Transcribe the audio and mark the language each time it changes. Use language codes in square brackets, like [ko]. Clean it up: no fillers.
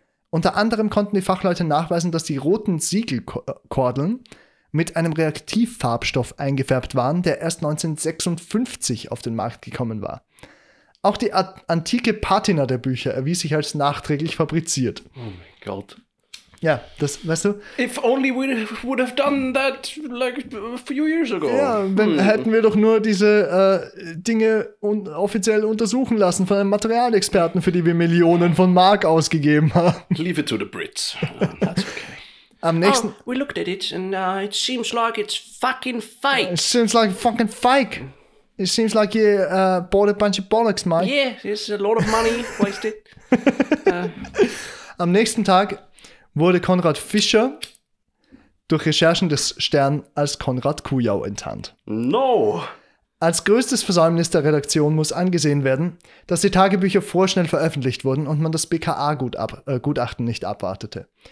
[de] Unter anderem konnten die Fachleute nachweisen, dass die roten Siegelkordeln mit einem Reaktivfarbstoff eingefärbt waren, der erst 1956 auf den Markt gekommen war. Auch die antike Patina der Bücher erwies sich als nachträglich fabriziert. Oh mein Gott. Ja, das, weißt du? [en] If only we would have done that like a few years ago. [de] Ja, dann hätten wir doch nur diese Dinge offiziell untersuchen lassen von einem Materialexperten, für die wir Millionen von Mark ausgegeben haben. [en] Leave it to the Brits. That's okay. [de] Am nächsten... [en] Oh, we looked at it and it seems like it's fucking fake. It seems like fucking fake. It seems like you bought a bunch of bollocks, Mike. Yeah, it's a lot of money wasted. [de] Am nächsten Tag wurde Konrad Fischer durch Recherchen des Stern als Konrad Kujau enttarnt. [en] No! [de] Als größtes Versäumnis der Redaktion muss angesehen werden, dass die Tagebücher vorschnell veröffentlicht wurden und man das BKA-Gutachten nicht abwartete.